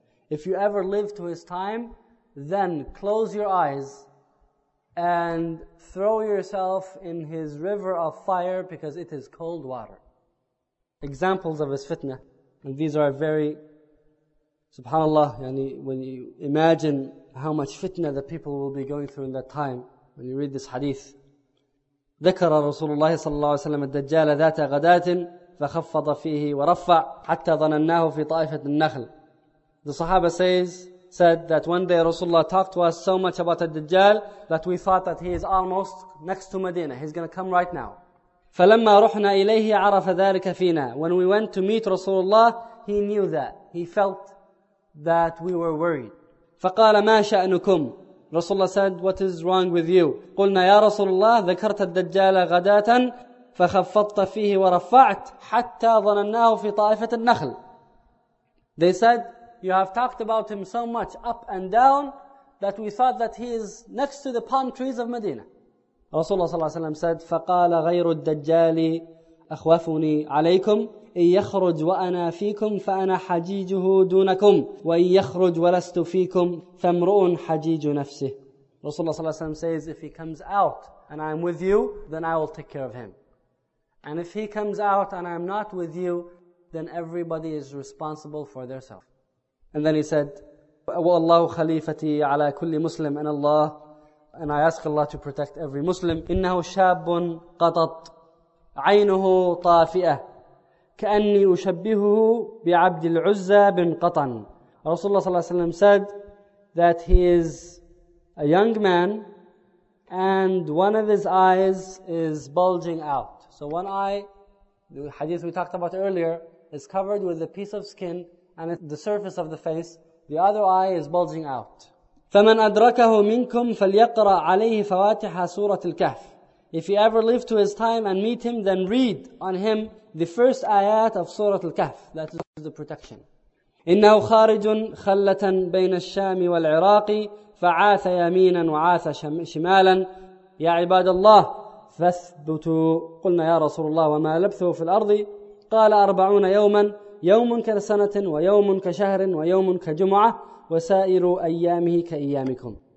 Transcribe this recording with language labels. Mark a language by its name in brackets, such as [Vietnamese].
[English] If you ever live to his time, then close your eyes and throw yourself in his river of fire because it is cold water. Examples of his fitna, and these are very, subhanAllah, when you imagine how much fitna the people will be going through in that time, when you read this hadith. [Arabic] ذكر رسول الله صلى الله عليه وسلم الدجال ذات غداة فخفض فيه ورفع حتى ظنناه في طائفة النخل. [English] The Sahaba said that one day Rasulullah talked to us so much about الدجال that we thought that he is almost next to Medina. He's going to come right now. [Arabic] فلما رحنا إليه عرف ذلك فينا. [English] When we went to meet Rasulullah, he knew that. He felt that we were worried. [Arabic] فقال ما شأنكم؟ [English] Rasulullah said, what is wrong with you? [Arabic] قلنا يا رسول الله ذكرت الدجال غداة فخفضت فيه ورفعت حتى ظنناه في طائفة النخل. [English] They said, you have talked about him so much up and down that we thought that he is next to the palm trees of Medina. [Arabic] Rasulullah صلى الله عليه وسلم said, فقال غير الدجال أخوفني عليكم إن يخرج وأنا فيكم فأنا حجيجه دونكم وإن يخرج ولست فيكم فامرؤ حجيج نفسه. [English] Rasulullah [Arabic] صلى الله عليه وسلم [English] says, if he comes out and I'm with you, then I will take care of him. And if he comes out and I'm not with you, then everybody is responsible for their self. And then he said, [Arabic] وَاللَّهُ خَلِيفَتِي عَلَىٰ كُلِّ مُسْلِمٍ. [English] And Allah, and I ask Allah to protect every Muslim. [Arabic] إِنَّهُ شَابٌ قَطَطْ عَيْنُهُ طَافِئَةٌ كَأَنِّي أُشَبِّهُهُ بِعَبْدِ الْعُزَّى بِنْ قَطَنْ. [English] Rasulullah [Arabic] صلى الله عليه وسلم [English] said that he is a young man and one of his eyes is bulging out. So one eye, the hadith we talked about earlier, is covered with a piece of skin and it's the surface of the face. The other eye is bulging out. [Arabic] فَمَنْ أَدْرَكَهُ مِنْكُمْ فَلْيَقْرَ عَلَيْهِ فَوَاتِحَ سُورَةِ الْكَهْفِ. [English] If you ever live to his time and meet him, then read on him the first ayat of Surah Al-Kahf, that is the protection. [Arabic] إِنَّهُ خَارِجٌ خَلَّةً بَيْنَ الشَّامِ وَالْعِرَاقِ فَعَاثَ يَمِينًا وَعَاثَ شِمَالًا يَا عِبَادَ اللَّهِ فَاثْبُتُوا قلنا يا رسول الله وما لبثوا في الأرض قال 40 يوما يوم كسنة ويوم كشهر ويوم كجمعة وسائر أيامه كأيامكم.